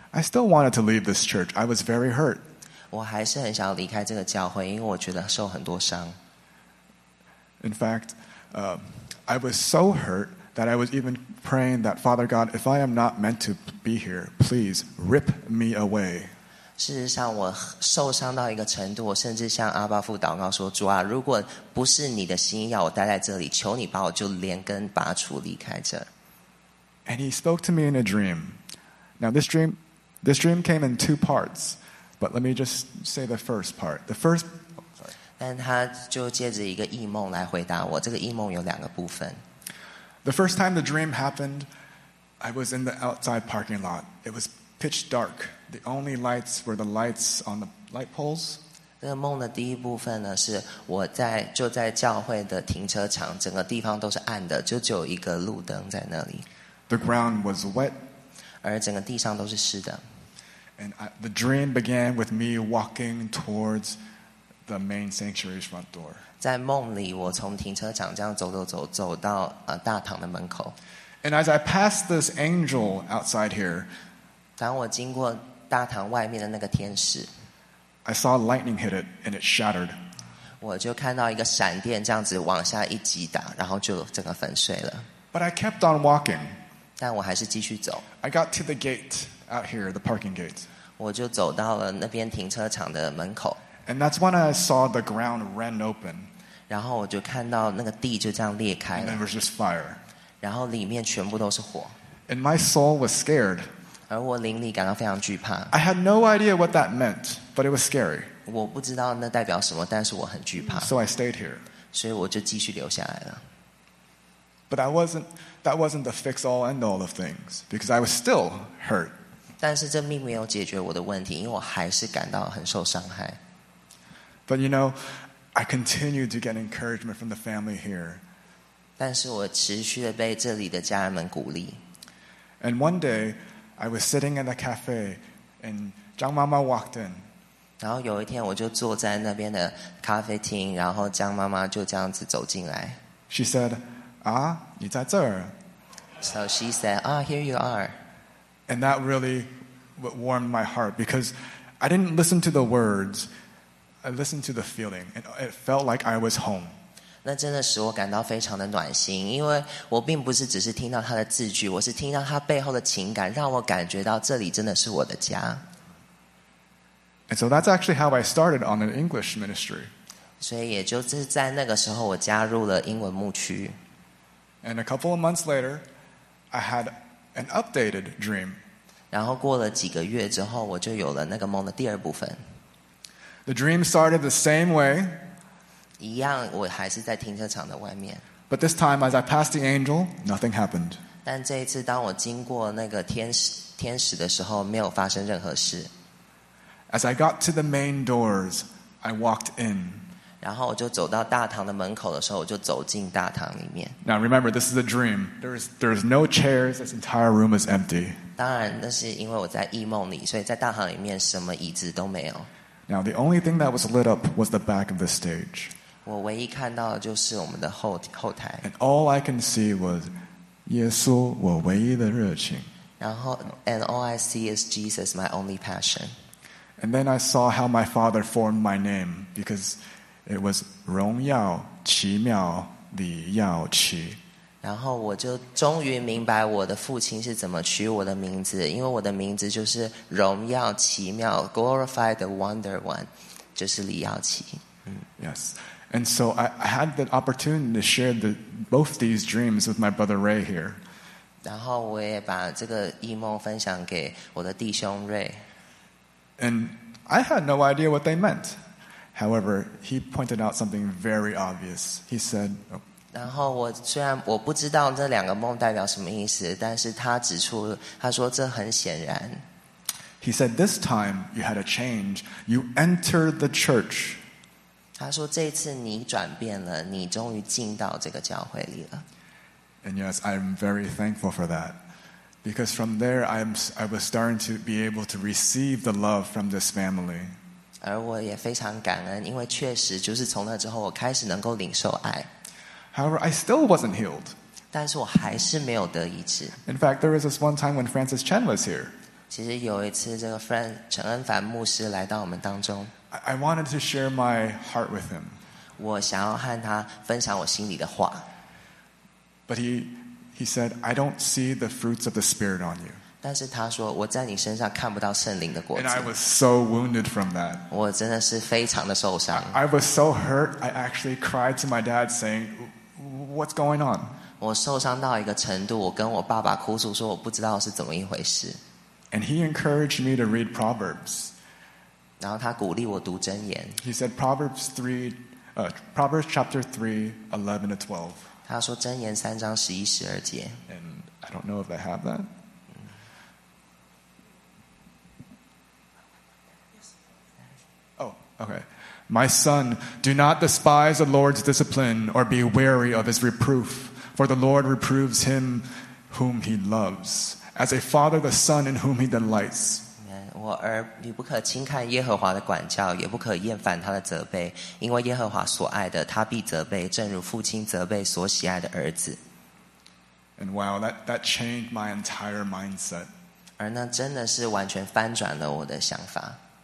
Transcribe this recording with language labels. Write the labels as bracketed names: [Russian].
[English] I still wanted to leave this church. I was very hurt. [Chinese] 我还是很想离开这个教会，因为我觉得受很多伤。 [English] In fact, I was so hurt. That I was even praying that Father God, if I am not meant to be here, please rip me away. [Chinese] 事实上，我受伤到一个程度，我甚至向阿爸父祷告说：“主啊，如果不是你的心意要我待在这里，求你把我就连根拔除离开这。” [English] And He spoke to me in a dream. Now this dream came in two parts, but let me just say the first part. The first, oh, sorry. [Chinese] 但他就借着一个异梦来回答我。这个异梦有两个部分。 [English] The first time the dream happened, I was in the outside parking lot. It was pitch dark. The only lights were the lights on the light poles. [Chinese] 这个梦的第一部分呢，是我在就在教会的停车场，整个地方都是暗的，就只有一个路灯在那里。 [English] The ground was wet, [Chinese] 而整个地上都是湿的。 [English] And the dream began with me walking towards the main sanctuary's front door. [Chinese] 在梦里，我从停车场这样走走走，走到大堂的门口。 [English] And as I passed this angel outside here, [Chinese] 当我经过大堂外面的那个天使。 [English] I saw lightning hit it, and it shattered. [Chinese] 我就看到一个闪电这样子往下一击打，然后就整个粉碎了。 [English] But I kept on walking. [Chinese] 但我还是继续走。 [English] I got to the gate out here, the parking gate. [Chinese] 我就走到了那边停车场的门口。 [English] And that's when I saw the ground rend open. [Chinese] 然后我就看到那个地就这样裂开了。 [English] And there was just fire. [Chinese] 然后里面全部都是火。 [English] And my soul was scared. [Chinese] 而我灵里感到非常惧怕。 [English] I had no idea what that meant, but it was scary. [Chinese] 我不知道那代表什么，但是我很惧怕。 [English] So I stayed here. [Chinese] 所以我就继续留下来了。 [English] But that wasn't the fix all end all of things, because I was still hurt. [Chinese] 但是这并没有解决我的问题，因为我还是感到很受伤害。 [English] But you know, I continued to get encouragement from the family here. [Chinese] 但是我持续地被这里的家人们鼓励。 [English] And one day,I was sitting in a cafe, and Zhang Mama walked in. [Chinese] 然后有一天我就坐在那边的咖啡厅，然后Zhang Mama就这样子走进来。 [English] She said, "Ah, [Chinese] 你在这儿。 [English] So she said, "Ah, here you are." And that really warmed my heart because I didn't listen to the words, I listened to the feeling, and it felt like I was home. [Chinese] 那真的使我感到非常的暖心，因为我并不是只是听到他的字句，我是听到他背后的情感，让我感觉到这里真的是我的家。 [English] And so that's actually how I started on an English ministry. [Chinese] 所以也就是在那个时候，我加入了英文牧区。 [English] And a couple of months later, I had an updated dream. [Chinese] 然后过了几个月之后，我就有了那个梦的第二部分。 [English] The dream started the same way. [Chinese] 一样，我还是在停车场的外面。 [English] But this time, as I passed the angel, nothing happened. [Chinese] 但这一次，当我经过那个天使的时候，没有发生任何事。 [English] As I got to the main doors, I walked in. [Chinese] 然后我就走到大堂的门口的时候，我就走进大堂里面。 [English] Now remember, this is a dream. There's no chairs. This entire room is empty. [Chinese] 当然，那是因为我在异梦里，所以在大堂里面什么椅子都没有。 [English] Now the only thing that was lit up was the back of the stage. [Chinese] 我唯一看到的就是我们的后台。 [English] And all I can see was [Chinese] 耶稣，我唯一的热情。然后 [English] ，and all I see is Jesus, my only passion. And then I saw how my father formed my name because it was [Chinese] 荣耀奇妙 [English] 李耀奇。 [Chinese] 然后我就终于明白我的父亲是怎么取我的名字，因为我的名字就是荣耀奇妙 [English] Glorify the Wonder One， [Chinese] 就是李耀奇。 [English] Yes, and so I had the opportunity to share both these dreams with my brother Ray here. [Chinese] 然后我也把这个异梦分享给我的弟兄 Ray. [English] And I had no idea what they meant. However, he pointed out something very obvious. He said. [Chinese] 然后我虽然我不知道这两个梦代表什么意思，但是他指出，他说这很显然。 [English] He said this time you had a change. You entered the church. [Chinese] 他说这次你转变了，你终于进到这个教会里了。 [English] And yes, I'm very thankful for that, because from there I was starting to be able to receive the love from this family. [Chinese] 而我也非常感恩，因为确实就是从那之后，我开始能够领受爱。 [English] However, I still wasn't healed. [Chinese] 但是我还是没有得医治。 [English] In fact, there was this one time when Francis Chen was here. [Chinese] 其实有一次，这个陈恩凡牧师来到我们当中。 [English] I wanted to share my heart with him. [Chinese] 我想要和他分享我心里的话。 [English] But he said, "I don't see the fruits of the Spirit on you." [Chinese] 但是他说，我在你身上看不到圣灵的果子。 [English] And I was so wounded from that. [Chinese] 我真的是非常的受伤。 [English] I was so hurt. I actually cried to my dad saying. What's going on? [Chinese] 我受伤到一个程度，我跟我爸爸哭诉说我不知道是怎么一回事。 [English] And he encouraged me to read Proverbs. [Chinese] 然后他鼓励我读箴言。 [English] He said Proverbs chapter 3:11-12. [Chinese] 他说箴言三章十一十二节。 [English] And I don't know if I have that. Oh, okay. My son, do not despise the Lord's discipline or be weary of his reproof, for the Lord reproves him whom he loves, as a father the son in whom he delights. [Chinese] 我儿，你不可轻看耶和华的管教，也不可厌烦他的责备，因为耶和华所爱的，他必责备，正如父亲责备所喜爱的儿子。 [English] And wow, that changed my entire mindset. [Chinese] 而那真的是完全翻转了我的想法。